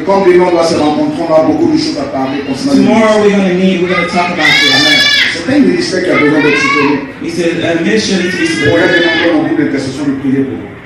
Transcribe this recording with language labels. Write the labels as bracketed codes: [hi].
[fr] Et comme des gens doivent se rencontrer, on a beaucoup de choses à parler. [en] Tomorrow we're gonna meet, we're gonna talk about it. Amen. [fr] C'est un ministère qui a besoin d'être soutenu. [en] It's a mission to be supported. [fr] Pour être dans une intercession de prier pour vous.